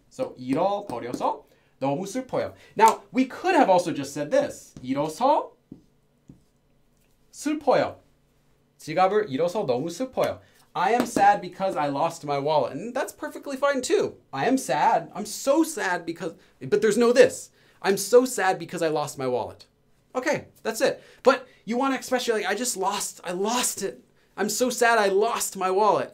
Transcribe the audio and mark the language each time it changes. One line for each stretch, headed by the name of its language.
Korean: So 잃어버려서 너무 슬퍼요.
English: Now, we could have also just said this,
Korean: 잃어서 슬퍼요. 지갑을 잃어서 너무 슬퍼요.
English: I am sad because I lost my wallet. And that's perfectly fine too. I am sad. I'm so sad because, but there's no this. I'm so sad because I lost my wallet. Okay, that's it. But you want to express, you're like, I lost it. I'm so sad I lost my wallet.